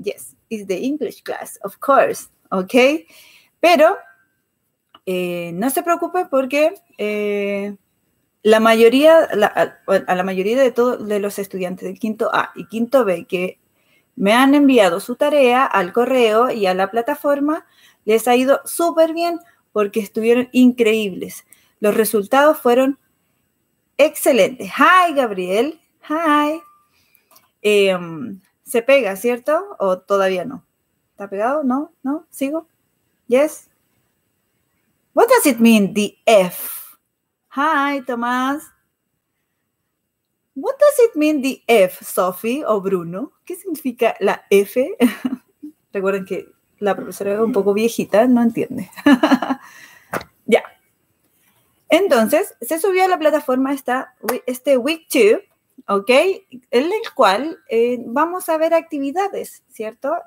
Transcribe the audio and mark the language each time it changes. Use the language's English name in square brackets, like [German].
[English] Yes, it's the English class, of course, ¿ok? [Spanish] Pero no se preocupe porque a la mayoría de los estudiantes del quinto A y quinto B que me han enviado su tarea al correo y a la plataforma, les ha ido súper bien porque estuvieron increíbles. Los resultados fueron excelentes. [English] Hi, Gabriel. Hi. [Spanish] Se pega, ¿cierto? ¿O todavía no? ¿Está pegado? ¿No? ¿No? ¿Sigo? [English] ¿Yes? What does it mean, the F? Hi, Tomás. What does it mean the F, Sophie o Bruno? [Spanish] ¿Qué significa la F? Recuerden que la profesora es un poco viejita, no entiende. Ya. Entonces, se subió a la plataforma este WeekTube, ¿ok? En el cual vamos a ver actividades, ¿cierto?